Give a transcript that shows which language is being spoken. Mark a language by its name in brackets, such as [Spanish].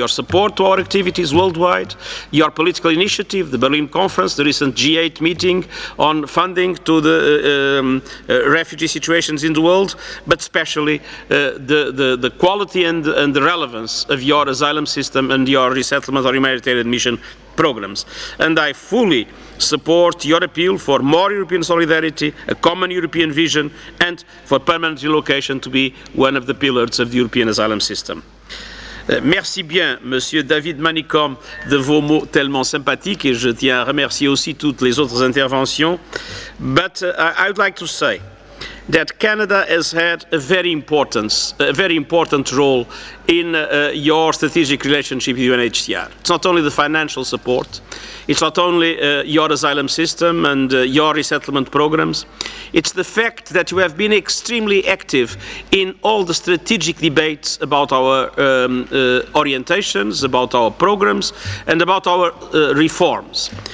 [English] Your support to our activities worldwide, your political initiative, the Berlin Conference, the recent G8 meeting on funding to the refugee situations in the world, but especially the quality and the relevance of your asylum system and your resettlement or humanitarian mission programs. And I fully support your appeal for more European solidarity, a common European vision, and for permanent relocation to be one of the pillars of the European asylum system. [French] Merci bien, Monsieur David Manicom, de vos mots tellement sympathiques, et je tiens à remercier aussi toutes les autres interventions. [English] But I would like to say that Canada has had a very important role in your strategic relationship with UNHCR. It's not only the financial support, it's not only your asylum system and your resettlement programs, it's the fact that you have been extremely active in all the strategic debates about our orientations, about our programs, and about our reforms.